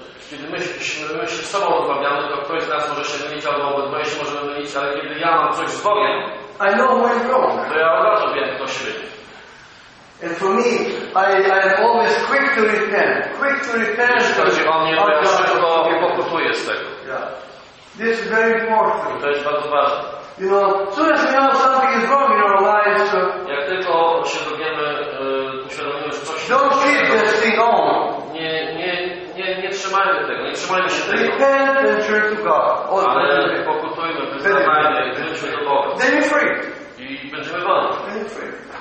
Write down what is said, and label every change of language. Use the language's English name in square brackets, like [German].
[Polish] kiedy my się z sobą rozmawiamy, to ktoś z nas może się mylić, albo my się możemy mylić, ale kiedy ja mam coś z Bogiem, [English] I know who is wrong. [Polish] To ja od razu wiem, kto się myli. [English] And for me, I am always quick to repent. Quick to repent. [Polish] Jeśli chodzi o mnie, to ja szybko mnie pokutuję z tego. [English] Yeah. This is very important. [Polish] I to jest bardzo ważne. [English] You know, soon as we know something is wrong in our lives, so [Polish] jak tylko się dowiemy, uświadomimy, że coś [English] don't keep this thing on. [Polish] Nie trzymajmy tego, nie trzymajmy się tego. [English] Repent and turn to God. [Polish] Ale pokutujmy, wyznajmy i wróćmy do Boga. [English] Then you're free. [Polish] I będziemy wolni. [English] Then you're free.